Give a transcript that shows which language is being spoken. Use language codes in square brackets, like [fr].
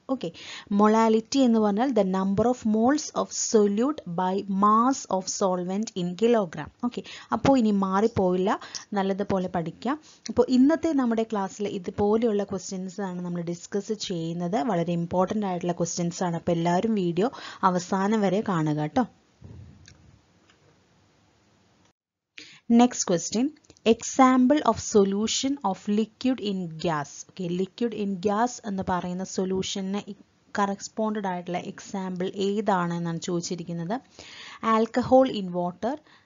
[en] okay, molality [ml] എന്ന് പറഞ്ഞാൽ [en] The number of moles of solute by mass of solvent in kilogram. [ml] Okay, അപ്പോൾ ഇനി മാറിപ്പോയില്ല, നല്ലതുപോലെ പഠിക്കാം. അപ്പോൾ ഇന്നത്തെ നമ്മുടെ ക്ലാസ്സിൽ ഇതുപോലെയുള്ള ക്വസ്റ്റ്യൻസ് ആണ് നമ്മൾ ഡിസ്കസ് ചെയ്യുന്നത്. വളരെ ഇമ്പോർട്ടൻ്റ് ആയിട്ടുള്ള ക്വസ്റ്റ്യൻസ് ആണ്. അപ്പോൾ എല്ലാവരും വീഡിയോ അവസാനം വരെ കാണുക കേട്ടോ. [en] Next question, example of solution of liquid in gas. Okay, liquid in gas [ml] എന്ന് പറയുന്ന സൊല്യൂഷന് കറസ്പോണ്ടഡ് ആയിട്ടുള്ള എക്സാമ്പിൾ ഏതാണെന്നാണ് ചോദിച്ചിരിക്കുന്നത്. [en] alcohol in water,